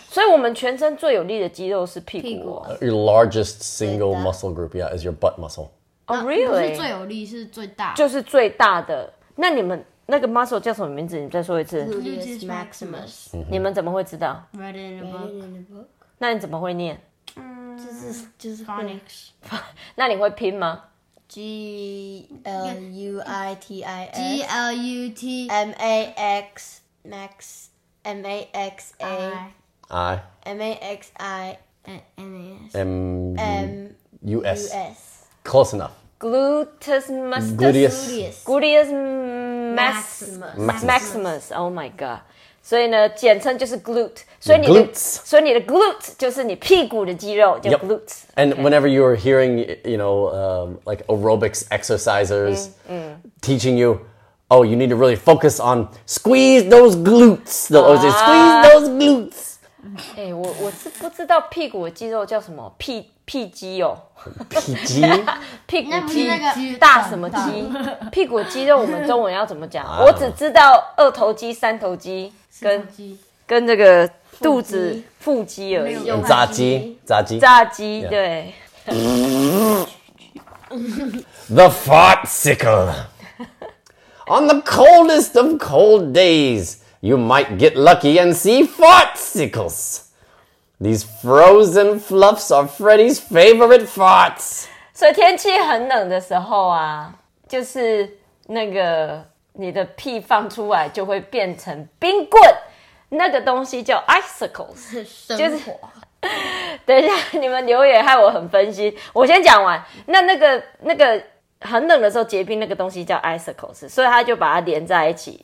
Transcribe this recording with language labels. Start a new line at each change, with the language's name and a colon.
Chinese: 所以，我们全身最有力的肌肉是屁股。
English: Your largest single muscle group, yeah, is your butt muscle. Oh, really?
Chinese: 不是最有力，是最大。就是最大的。那你们那个 muscle 叫什么名字？你再说一次。
English: Gluteus maximus.
Chinese: 你们怎么会知道
English: ？Read it in a book.
Chinese: 那你怎么会念？就是 phonics. 那你会拼吗？
English: G-L-U-I-T-I-S. G-L-U-T. M-A-X. Max. M-A-X-A. I. M-A-X-I-N-A-S. M-U-S. Close enough. Gluteus maximus. Gluteus maximus. Maximus. Oh my god.
Chinese: 所以呢，简称就是 glute， 所以你的
English: glutes.
Chinese: 所以你的 glute 就是你屁股的肌肉叫 glutes。
English: Yep. And、okay. whenever you are hearing, you know, like aerobics exercisers teaching you, oh, you need to really focus on squeeze those glutes. They'll always say, squeeze those glutes.
Chinese: 哎，我是不知道屁股的肌肉叫什么屁肌哦，屁肌，屁股肌，大什么肌？屁股肌肉我们中文要怎么讲？我只知道二头肌、三头肌。跟这个肚子腹肌而已，炸鸡，炸鸡，炸鸡，对。
English: The fartsicle. On the coldest of cold days, you might get lucky and see fartsicles. These frozen fluffs are Freddy's favorite farts.
Chinese: 所以天气很冷的时候啊，就是那个。你的屁放出来就会变成冰棍，那个东西叫 icicles，就是。等一下，你们留言害我很分心。我先讲完。那个很冷的时候结冰，那个东西叫 icicles， 所以他就把它连在一起。